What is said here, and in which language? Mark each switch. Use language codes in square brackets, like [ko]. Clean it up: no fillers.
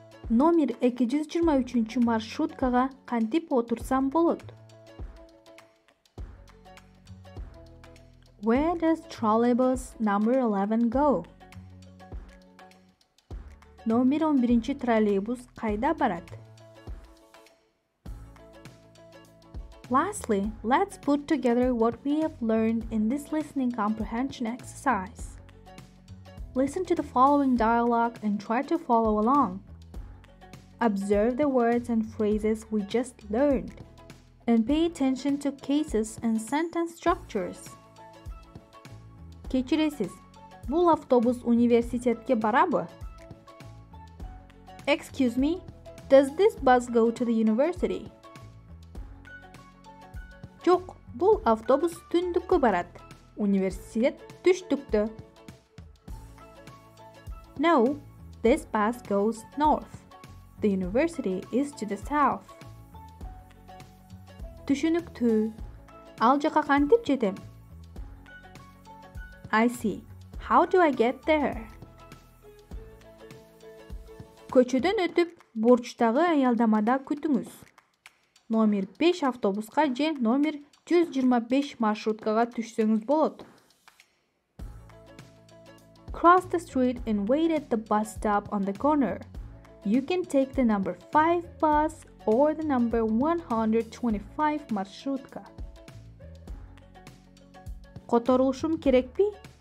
[ky] Номер 223 маршруткага кантип отурсам болот? [en] Where does trolleybus number 11 go? [ky] Номер 11 троллейбус кайда барат? [en] Lastly, let's put together what we have learned in this listening comprehension exercise. Listen to the following dialogue and try to follow along. Observe the words and phrases we just learned, and pay attention to cases and sentence structures. [ky] Кечиресиз, бул автобус университетке барабы? [en] Excuse me, does this bus go to the university? [ky] Жок, бул автобус түндүккө барат. Университет түштүктө. [en] No, this bus goes north. The university is to the south. [ky] Түшүнүктүү. Ал жака кантип жетем? [en] I see. How do I get there? [ky] Көчөдөн өтүп, бурчтагы аялдамада күтүңүз. Номер 5 автобуска же номер 125 маршруткага түшсөңүз болот. [en] Cross the street and wait at the bus stop on the corner. You can take the number 5 bus or the number 125 маршрутка. [ky] Которулушум керекпи?